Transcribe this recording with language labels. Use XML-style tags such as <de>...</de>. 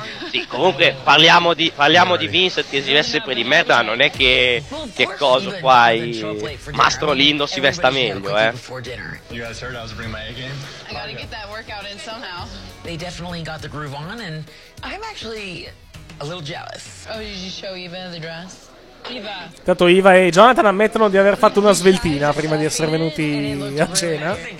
<it>Sì, comunque parliamo di Vincent che si veste per di merda, non è che cosa qua è Mastro Lindo si vesta meglio, eh.</it> <en>You guys heard I was bringing my A game? I gotta get that workout in somehow. They definitely got the groove on and I'm actually a little jealous. Oh, did you show Eva the dress? Eva.</en> <it>Tanto Eva e Jonathan ammettono di aver fatto una sveltina prima di essere venuti a cena.</it>